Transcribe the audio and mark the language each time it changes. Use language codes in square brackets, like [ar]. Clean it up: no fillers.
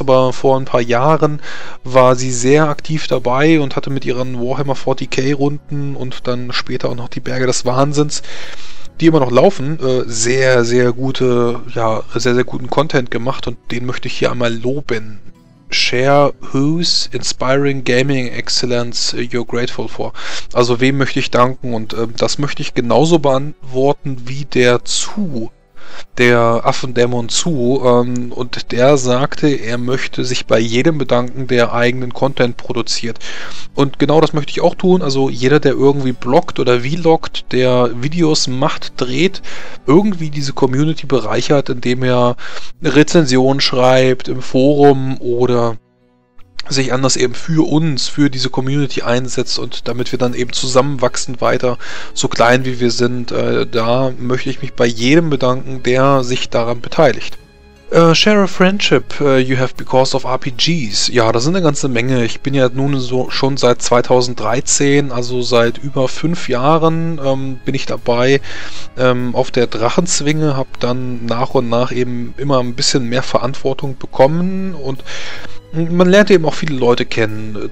[de] Aber vor ein paar Jahren war sie sehr aktiv dabei und hatte mit ihren Warhammer 40k-Runden und dann später auch noch die Berge des Wahnsinns, die immer noch laufen, sehr, sehr gute, ja, sehr, sehr guten Content gemacht. Und den möchte ich hier einmal loben. [en] Share whose inspiring gaming excellence you're grateful for. [de] Also wem möchte ich danken? Und das möchte ich genauso beantworten wie der Zu, der Affendämon Zu. Und der sagte, er möchte sich bei jedem bedanken, der eigenen Content produziert. Und genau das möchte ich auch tun. Also jeder, der irgendwie bloggt oder vloggt, der Videos macht, dreht, irgendwie diese Community bereichert, indem er Rezensionen schreibt im Forum oder sich anders eben für uns, für diese Community einsetzt und damit wir dann eben zusammenwachsen weiter, so klein wie wir sind. Da möchte ich mich bei jedem bedanken, der sich daran beteiligt. [en] Share a friendship you have because of RPGs. [de] Ja, das sind eine ganze Menge. Ich bin ja nun so schon seit 2013, also seit über 5 Jahren, bin ich dabei auf der Drachenzwinge, habe dann nach und nach eben immer ein bisschen mehr Verantwortung bekommen und man lernt eben auch viele Leute kennen.